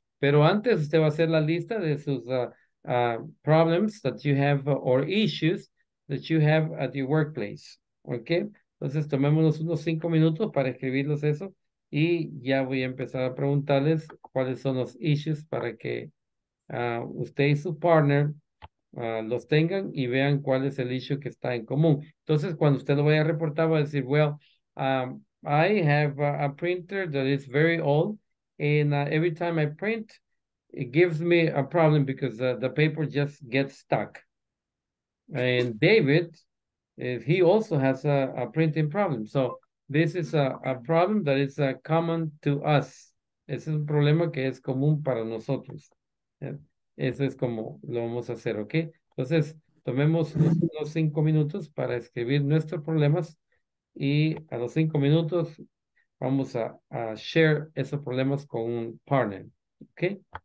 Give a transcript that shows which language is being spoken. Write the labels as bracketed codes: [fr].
[es] Pero antes usted va a hacer la lista de sus [en] problems that you have or issues that you have at your workplace. ¿Ok? [es] Entonces tomémonos unos 5 minutos para escribirlos eso. Y ya voy a empezar a preguntarles cuáles son los issues para que usted y su partner los tengan y vean cuál es el issue que está en común. Entonces, cuando usted lo vaya a reportar, va a decir, [en] well, I have a printer that is very old, and every time I print, it gives me a problem because the paper just gets stuck. And David, he also has a printing problem. So, this is a problem that is common to us. [es] Ese es un problema que es común para nosotros. Yeah. Eso es como lo vamos a hacer, ¿ok? Entonces, tomemos unos 5 minutos para escribir nuestros problemas y a los 5 minutos vamos a share esos problemas con un partner, ¿ok?